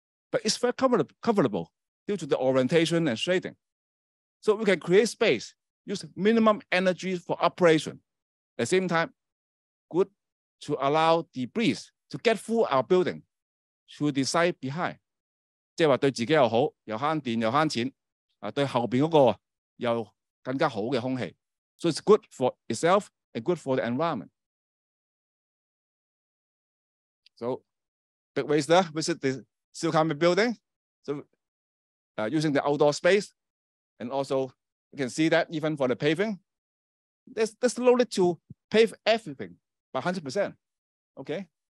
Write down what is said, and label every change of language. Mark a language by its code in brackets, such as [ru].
[en] But it's very comfortable due to the orientation and shading. So we can create space, use minimum energy for operation. At the same time, good to allow the breeze to get through our building to the side behind. [yue] 即是说对自己又好,又省电又省钱,对后面那个又更加好的空气. [en] So it's good for itself and good for the environment. So big waste, visit the still coming building, so using the outdoor space, and also you can see that even for the paving, there's slowly to pave everything by 100%, okay?